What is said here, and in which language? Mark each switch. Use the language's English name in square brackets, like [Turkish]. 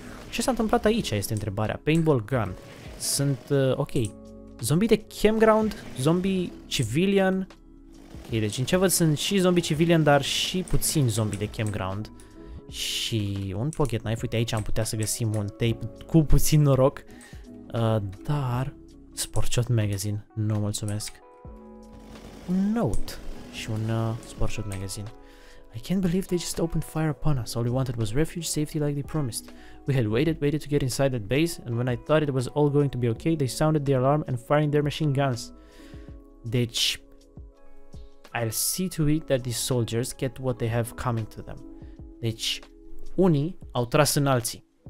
[Romanian] Ce s-a întâmplat aici este întrebarea. Paintball gun. Sunt, ok, zombii de campground, zombii civilian. Ok, deci în ce văd sunt și zombii civilian, dar și puțini zombii de campground. Și un pocket knife. Uite, aici am putea să găsim un tape cu puțin noroc. Dar, sport shot magazine. Nu, mulțumesc. Un note și un sport shot magazine. [English] I can't believe they just opened fire upon us. All we wanted was refuge, safety like they promised. We had waited to get inside that base, and when I thought it was all going to be okay, they sounded the alarm and firing their machine guns. Deci, I'll see to it that these soldiers get what they have coming to them. [Romanian] Deci, unii au tras în alții.